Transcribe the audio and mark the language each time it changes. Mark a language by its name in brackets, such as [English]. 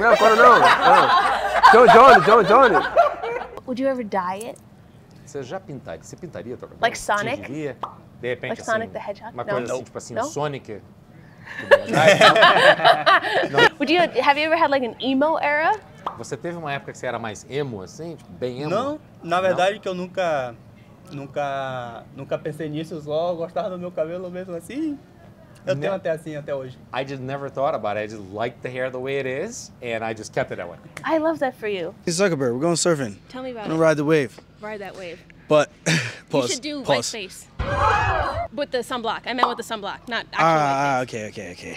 [Portuguese] Não, Connor não. John. [English] Would you ever dye it? [Portuguese] Você já pintaria? Você pintaria tua cabeça? [English] Like Sonic? [Portuguese] De repente, [English] like [Portuguese] assim, [English] Sonic the Hedgehog? [Portuguese] Uma coisa assim, tipo assim, no? Sonic. [English] Would you, have you ever had like an emo era? [Portuguese] Você teve uma época que você era mais emo, assim? Tipo, bem emo? Não, na verdade não. Que eu nunca pensei nisso, só gostava do meu cabelo mesmo assim. Eu tenho até assim até hoje. [English] I just never thought about it. I just liked the hair the way it is, and I just kept it that way. I love that for you. Hey Zuckerberg, we're going surfing. Tell me about it. I'm gonna ride the wave. Ride that wave. But, You should do white face. With the sunblock. I meant with the sunblock, not actual white face.